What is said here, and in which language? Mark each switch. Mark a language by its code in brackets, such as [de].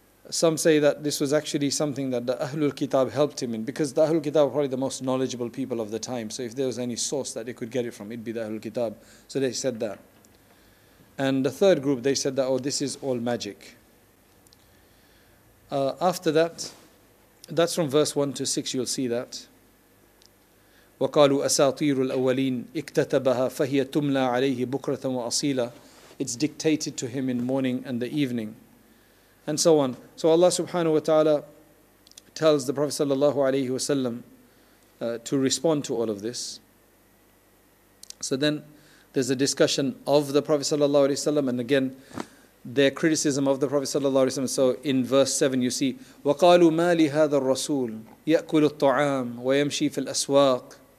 [en] Some say that this was actually something that the Ahlul Kitab helped him in, because the Ahlul Kitab were probably the most knowledgeable people of the time. So if there was any source that they could get it from, it'd be the Ahlul Kitab. So they said that. And the third group, they said that, this is all magic. After that, that's from verse 1 to 6, you'll see that. [ar] وقالوا أساطير الأولين اكتتبها فهي تملى عليه بكرة وأصيلة. [en] It's dictated to him in morning and the evening, and so on. So Allah subhanahu wa ta'ala tells the Prophet sallallahu alayhi wa sallam to respond to all of this. So then there's a discussion of the Prophet sallallahu alayhi wa sallam, and again their criticism of the Prophet sallallahu alayhi wa sallam. So in verse 7 you see, [ar] وَقَالُوا مَا لِهَذَا الرَّسُولِ يَأْكُلُ الطَّعَامِ وَيَمْشِي فِي الْأَسْوَاقِ.